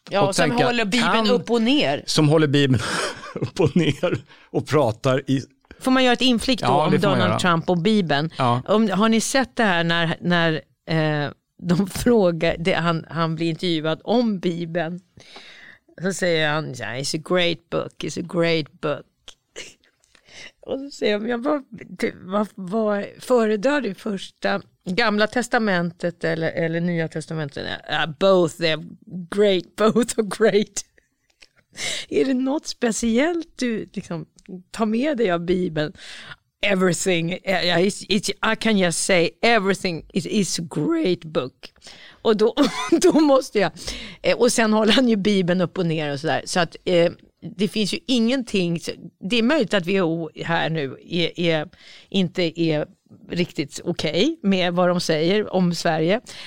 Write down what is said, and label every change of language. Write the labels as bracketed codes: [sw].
[sv] Ja, och som tänka, håller Bibeln upp och ner. Som håller Bibeln upp och ner och pratar i... Får man göra ett inflick då om Donald Trump och Bibeln? Ja. Har ni sett det här när de frågar, han blir intervjuad om Bibeln? Så säger han, [en] yeah, it's a great book. [sv] Och så säger jag, vad föredrar du, första gamla testamentet eller nya testamentet? [en] Both, they're great, both are great. [sv] Är det något speciellt du liksom tar med dig av Bibeln? [en] Everything, I can just say everything is a great book. [sv] Och då måste jag, och sen håller han ju Bibeln upp och ner och sådär. Så att det finns ju ingenting. Det är möjligt att WHO här nu är inte är riktigt okej med vad de säger om Sverige.